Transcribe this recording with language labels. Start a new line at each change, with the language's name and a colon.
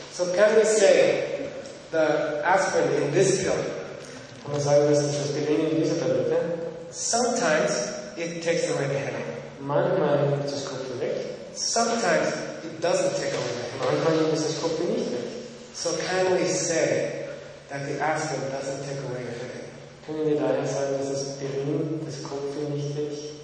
English: So can we say the aspirin in this pill?
German: Und sagen, dass das Aspirin in dieser Tablette.
English: Sometimes it takes away the headache.
German: Manchmal nimmt das Kopfweh weg.
English: Sometimes it doesn't take away the headache.
German: Manchmal nimmt das Kopfweh nicht weg.
English: So can we say that the aspirin doesn't take away the headache?
German: Können wir daher sagen, dass das Aspirin das Kopfweh nicht wegnimmt?